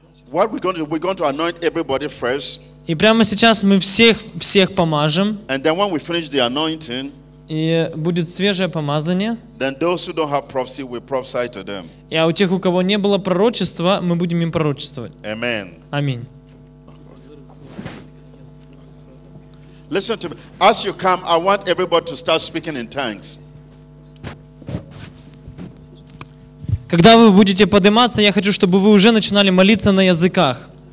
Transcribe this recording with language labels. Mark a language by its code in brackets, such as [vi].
[en] What we're going to do, we're going to anoint everybody first. [ru] И прямо сейчас мы всех помажем. [en] And then when we finish the anointing, [ru] и будет свежее помазание. [en] Then those who don't have prophecy, we prophesy to them. [ru] И у тех, у кого не было пророчества, мы будем им пророчествовать. [en] Amen. [ru] Аминь. [en] Listen to me. As you come, I want everybody to start speaking in tongues. [ru] Когда вы будете подниматься, я хочу, чтобы вы уже начинали молиться на языках.